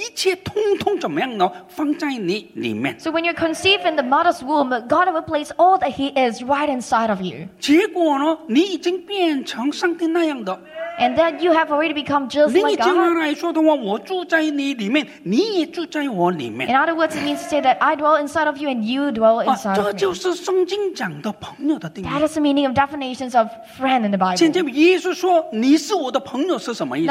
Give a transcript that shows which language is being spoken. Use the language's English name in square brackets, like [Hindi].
[Chinese] 妈妈怀孕你的时候，我们的上帝呢，已经把他的生命的一切通通怎么样呢，放在你里面。 [English] So when you're conceived in the mother's womb, God will place all that He is right inside of you. [Chinese] 结果呢，你已经变成上帝那样的。 [English] And that you have already become just like God. [Chinese] 另一句话来说的话，我住在你里面，你也住在我里面。 [English] In other words, it means to say that I dwell inside of you and you dwell inside of me. [Chinese] 这就是圣经讲的朋友的定义。 [English] That is the meaning of definitions of friend in the Bible. [Chinese] 现在耶稣说你是我的朋友是什么意思？